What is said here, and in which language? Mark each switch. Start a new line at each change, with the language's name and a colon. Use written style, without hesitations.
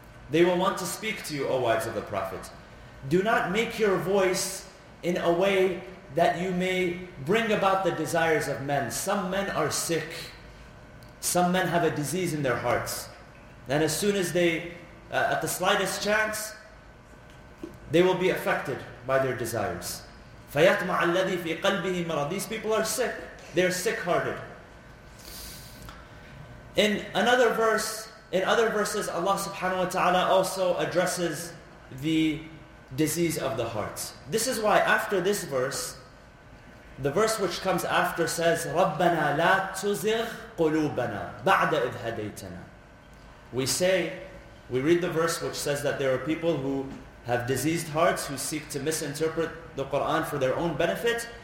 English: They will want to speak to you, O wives of the Prophet. Do not make your voice in a way that you may bring about the desires of men. Some men are sick. Some men have a disease in their hearts. And as soon as they, at the slightest chance, they will be affected by their desires.
Arabic: فَيَطْمَعَ الَّذِي فِي قَلْبِهِ مَرَضٍ
English: These people are sick. They are sick-hearted. In another verse, in other verses, Allah subhanahu wa ta'ala also addresses the disease of the heart. This is why after this verse, the verse which comes after says,
Arabic: رَبَّنَا لَا تُزِغْ قُلُوبَنَا بَعْدَ إِذْ هَدَيْتَنَا
English: We say, we read the verse which says that there are people who have diseased hearts, who seek to misinterpret the Qur'an for their own benefit.